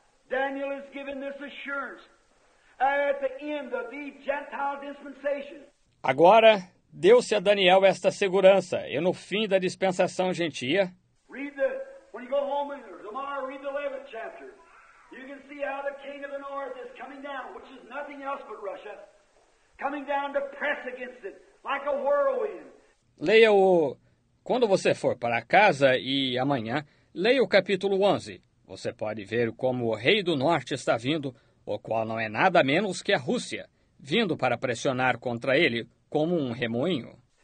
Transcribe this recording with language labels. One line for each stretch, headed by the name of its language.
English: Daniel is given this assurance at the end of the Gentile dispensation.
Portuguese: Agora, deu-se a Daniel esta segurança, e no fim da dispensação gentia.
English: Read the, when you go home tomorrow, read the 11th chapter. You can see how the king of the north is coming down, which is nothing else but Russia, coming down to press against it, like a whirlwind.
Portuguese: Leia-o, quando você for para casa e amanhã, leia o capítulo 11. Você pode ver como o rei do norte está vindo, o qual não é nada menos que a Rússia, vindo para pressionar contra ele como um remoinho.